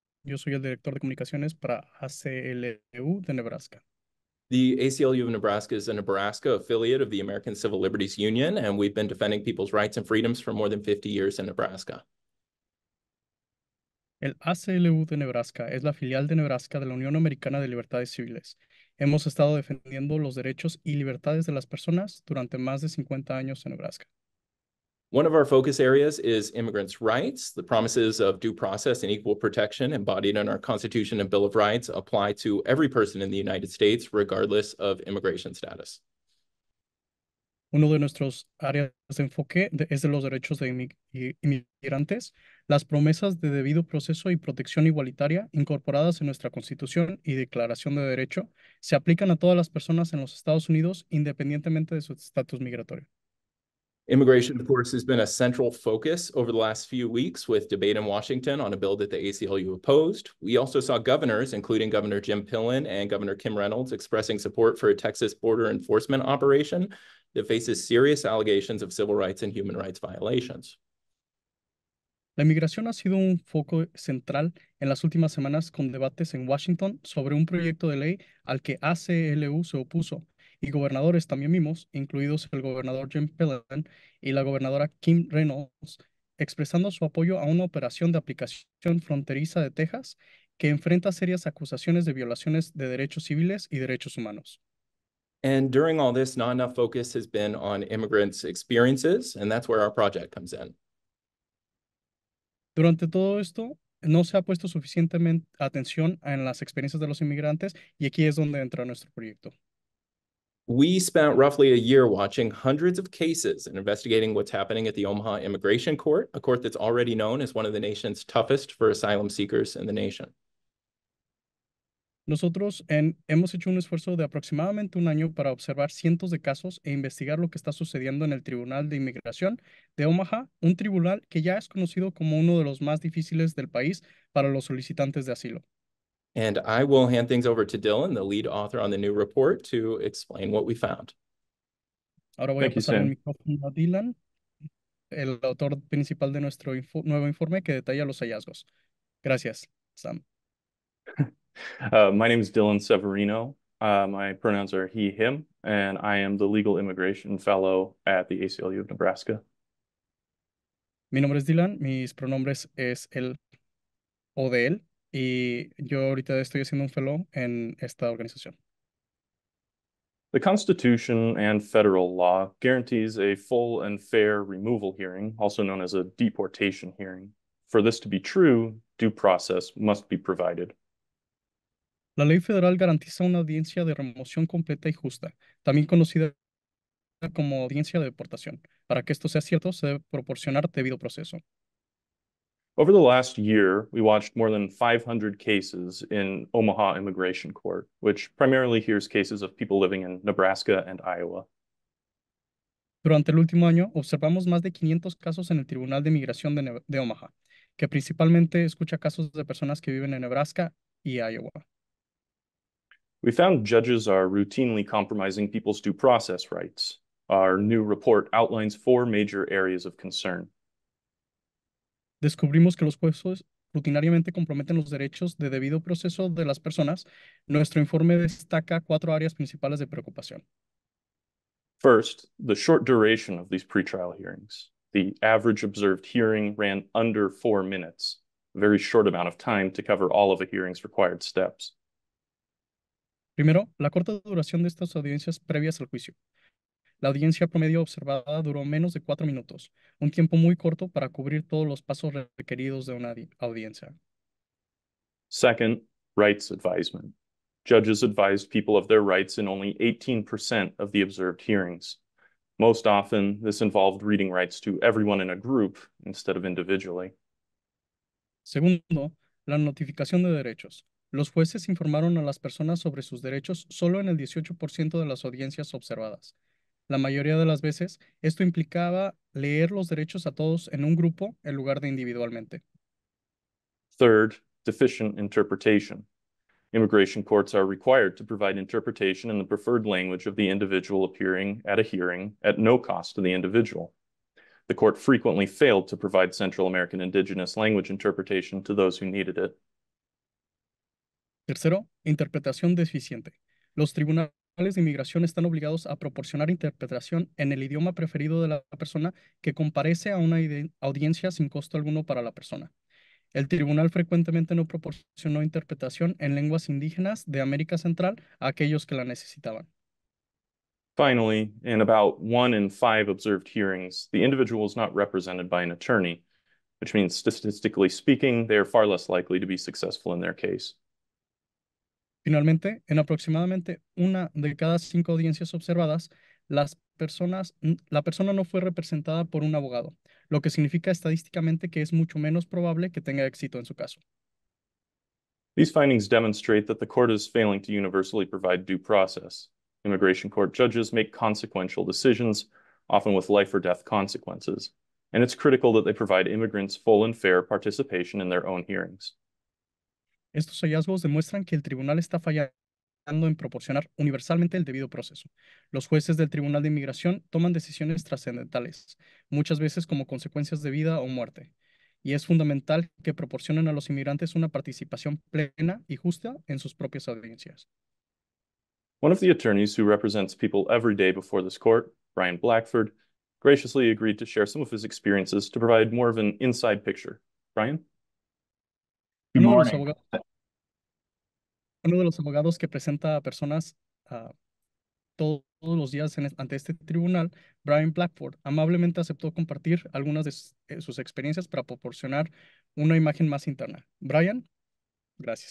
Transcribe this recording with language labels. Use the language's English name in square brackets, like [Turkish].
[Spanish] Yo soy el Director de Comunicaciones para ACLU de Nebraska. [English] The ACLU of Nebraska is a Nebraska affiliate of the American Civil Liberties Union, and we've been defending people's rights and freedoms for more than 50 years in Nebraska. [Spanish] El ACLU de Nebraska es la filial de Nebraska de la Unión Americana de Libertades Civiles. Hemos estado defendiendo los derechos y libertades de las personas durante más de 50 años en Nebraska. [English] One of our focus areas is immigrants' rights. The promises of due process and equal protection embodied in our Constitution and Bill of Rights apply to every person in the United States, regardless of immigration status. [Spanish] Uno de nuestros áreas de enfoque es de los derechos de inmigrantes, las promesas de debido proceso y protección igualitaria incorporadas en nuestra Constitución y Declaración de Derecho se aplican a todas las personas en los Estados Unidos independientemente de su estatus migratorio. [English] Immigration, of course, has been a central focus over the last few weeks with debate in Washington on a bill that the ACLU opposed. We also saw governors, including Governor Jim Pillen and Governor Kim Reynolds, expressing support for a Texas border enforcement operation that faces serious allegations of civil rights and human rights violations. [Spanish] La inmigración ha sido un foco central en las últimas semanas con debates en Washington sobre un proyecto de ley al que ACLU se opuso. Y gobernadores también mismos, incluidos el gobernador Jim Pillen y la gobernadora Kim Reynolds, expresando su apoyo a una operación de aplicación fronteriza de Texas que enfrenta serias acusaciones de violaciones de derechos civiles y derechos humanos. [English] And during all this, not enough focus has been on immigrants' experiences, and that's where our project comes in. [Spanish] Durante todo esto, no se ha puesto suficientemente atención en las experiencias de los inmigrantes, y aquí es donde entra nuestro proyecto. [English] We spent roughly a year watching hundreds of cases and investigating what's happening at the Omaha Immigration Court, a court that's already known as one of the nation's toughest for asylum seekers in the nation. [Spanish] Nosotros hemos hecho un esfuerzo de aproximadamente un año para observar cientos de casos e investigar lo que está sucediendo en el Tribunal de Inmigración de Omaha, un tribunal que ya es conocido como uno de los más difíciles del país para los solicitantes de asilo. [English] And I will hand things over to Dylan, the lead author on the new report, to explain what we found. [Spanish] Ahora voy a pasar el micrófono a Dylan, el autor principal de nuestro nuevo informe que detalla los hallazgos. Gracias, Sam. [English] My name is Dylan Severino. My pronouns are he, him, and I am the legal immigration fellow at the ACLU of Nebraska. [Spanish] Mi nombre es Dylan. Mis pronombres es él o de él. Y yo ahorita estoy haciendo un fellow en esta organización. [English] The Constitution and federal law guarantees a full and fair removal hearing, also known as a deportation hearing. For this to be true, due process must be provided. [Spanish] La ley federal garantiza una audiencia de remoción completa y justa, también conocida como audiencia de deportación. Para que esto sea cierto, se debe proporcionar debido proceso. [English] Over the last year, we watched more than 500 cases in Omaha Immigration Court, which primarily hears cases of people living in Nebraska and Iowa. [Spanish] Durante el último año, observamos más de 500 casos en el Tribunal de Inmigración de Omaha, que principalmente escucha casos de personas que viven en Nebraska y Iowa. [English] We found judges are routinely compromising people's due process rights. Our new report outlines four major areas of concern. [Spanish] Descubrimos que los jueces rutinariamente comprometen los derechos de debido proceso de las personas. Nuestro informe destaca cuatro áreas principales de preocupación. [English] First, the short duration of these pretrial hearings. The average observed hearing ran under 4 minutes, a very short amount of time to cover all of a hearing's required steps. [Spanish] Primero, la corta duración de estas audiencias previas al juicio. La audiencia promedio observada duró menos de 4 minutos, un tiempo muy corto para cubrir todos los pasos requeridos de una audiencia. [English] Second, rights advisement. Judges advised people of their rights in only 18% of the observed hearings. Most often, this involved reading rights to everyone in a group instead of individually. [Spanish] Segundo, la notificación de derechos. Los jueces informaron a las personas sobre sus derechos solo en el 18% de las audiencias observadas. La mayoría de las veces, esto implicaba leer los derechos a todos en un grupo en lugar de individualmente. [English] Third, deficient interpretation. Immigration courts are required to provide interpretation in the preferred language of the individual appearing at a hearing at no cost to the individual. The court frequently failed to provide Central American Indigenous language interpretation to those who needed it. [Spanish] Tercero, interpretación deficiente. Los tribunales de inmigración están obligados a proporcionar interpretación en el idioma preferido de la persona que comparece a una audiencia sin costo alguno para la persona. El tribunal frecuentemente no proporcionó interpretación en lenguas indígenas de América Central a aquellos que la necesitaban. [English] Finally, in about one in five observed hearings, the individual is not represented by an attorney, which means statistically speaking, they are far less likely to be successful in their case. [Spanish] Finalmente, en aproximadamente una de cada cinco audiencias observadas, la persona no fue representada por un abogado, lo que significa estadísticamente que es mucho menos probable que tenga éxito en su caso. [English] These findings demonstrate that the court is failing to universally provide due process. Immigration court judges make consequential decisions, often with life or death consequences, and it's critical that they provide immigrants full and fair participation in their own hearings. [Spanish] Estos hallazgos demuestran que el tribunal está fallando en proporcionar universalmente el debido proceso. Los jueces del Tribunal de Inmigración toman decisiones trascendentales, muchas veces como consecuencias de vida o muerte, y es fundamental que proporcionen a los inmigrantes una participación plena y justa en sus propias audiencias. [English] One of the attorneys who represents people every day before this court, Brian Blackford, graciously agreed to share some of his experiences to provide more of an inside picture. Brian? Good morning. [Spanish] Uno de los abogados que presenta a personas todos los días ante este tribunal, Brian Blackford, amablemente aceptó compartir algunas de sus experiencias para proporcionar una imagen más interna. Brian? Gracias.